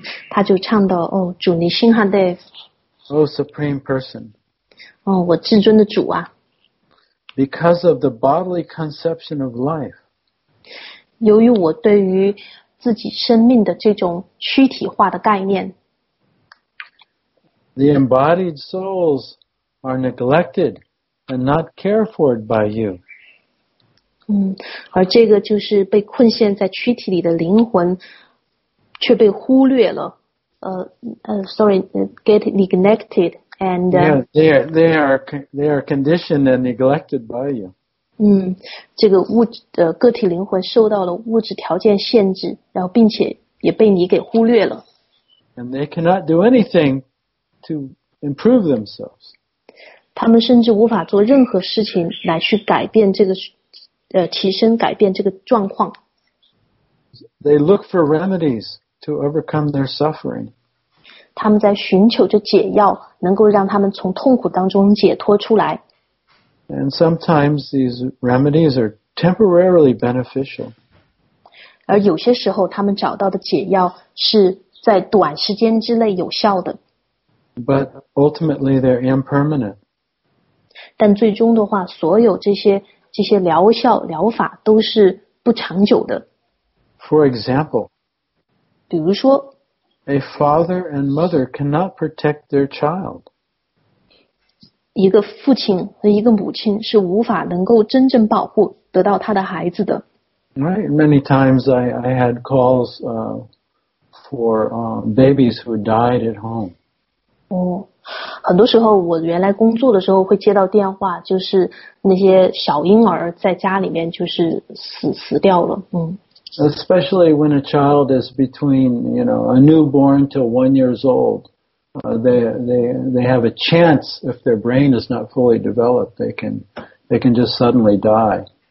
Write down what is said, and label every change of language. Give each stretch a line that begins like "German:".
Chinese: 他就唱到主尼辛哈德。
English: Oh, Supreme Person.
Chinese: 我至尊的主啊。
English: Because of the bodily conception of life,
Chinese: 由于我对于自己生命的这种躯体化的概念
English: ，The embodied souls are neglected and not cared for by you.
Chinese: 而这个就是被困陷在躯体里的灵魂，却被忽略了。
English: get neglected and they are conditioned and neglected by you.
Chinese: 这个物质的个体灵魂受到了物质条件限制，然后并且也被你给忽略了。
English: And they cannot do anything to improve themselves.
Chinese: 他们甚至无法做任何事情来去改变这个，提升改变这个状况。
English: They look for remedies to overcome their suffering.
Chinese: 他们在寻求着解药，能够让他们从痛苦当中解脱出来。
English: And sometimes these remedies are temporarily beneficial.
Chinese: 而有些时候，他们找到的解药是在短时间之内有效的。
English: But ultimately they're impermanent.
Chinese: 但最终的话，所有这些疗效疗法都是不长久的。
English: For example,
Chinese: 比如说
English: a father and mother cannot protect their child.
Chinese: 一个父亲和一个母亲是无法能够真正保护得到他的孩子的。
English: Right, many times I had calls for babies who died at home.
Chinese: 很多时候我原来工作的时候会接到电话，就是那些小婴儿在家里面就是死掉了。
English: Especially when a child is between, you know, a newborn to 1 year old, they have a chance if their brain is not fully developed, they can just suddenly die.